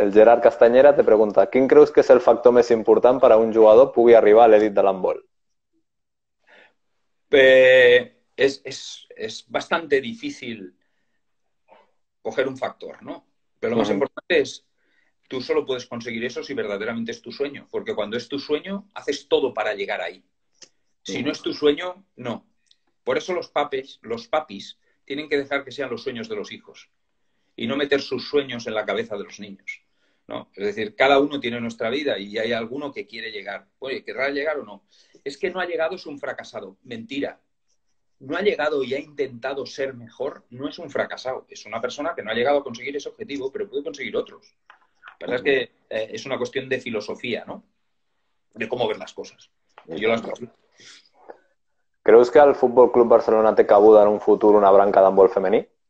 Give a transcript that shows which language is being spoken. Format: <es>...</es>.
<ca>El Gerard Castañera</ca> <es>te pregunta,</es> <ca>¿quién creus que és el factor més important per a un jugador pugui arribar a l'elit de l'handbol?</ca> <es>Es bastante difícil coger un factor, ¿no? Pero lo más importante es, tú solo puedes conseguir eso si verdaderamente es tu sueño, porque cuando es tu sueño, haces todo para llegar ahí. Si no es tu sueño, no. Por eso los papis, tienen que dejar que sean los sueños de los hijos y no meter sus sueños en la cabeza de los niños, ¿no? Es decir, cada uno tiene nuestra vida y hay alguno que quiere llegar. Oye, ¿querrá llegar o no? Es que no ha llegado, es un fracasado. Mentira. No ha llegado y ha intentado ser mejor, no es un fracasado. Es una persona que no ha llegado a conseguir ese objetivo, pero puede conseguir otros. La verdad es que es una cuestión de filosofía, ¿no? De cómo ver las cosas.</es> <ca>I</ca> <es>Y yo las</es> <ca>tant.</ca> <es>veo.</es> <ca>Creus que el Futbol Club Barcelona té cabuda en un futur una branca d'handbol femení?</ca>